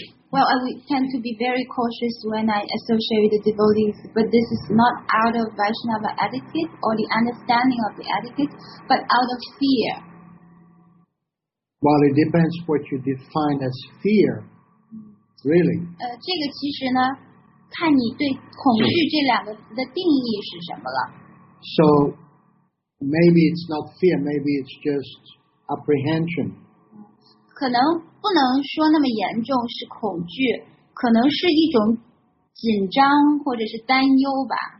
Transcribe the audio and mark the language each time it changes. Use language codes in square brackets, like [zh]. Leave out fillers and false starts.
[en] Well, I tend to be very cautious when I associate with the devotees, but this is not out of Vaishnava etiquette or the understanding of the etiquette, but out of fear. Well, it depends what you define as fear, really. [zh] 这个其实呢，看你对恐惧这两个词的定义是什么了。 [en] So, maybe it's not fear, maybe it's just apprehension. [zh] 可能不能说那么严重是恐惧，可能是一种紧张或者是担忧吧。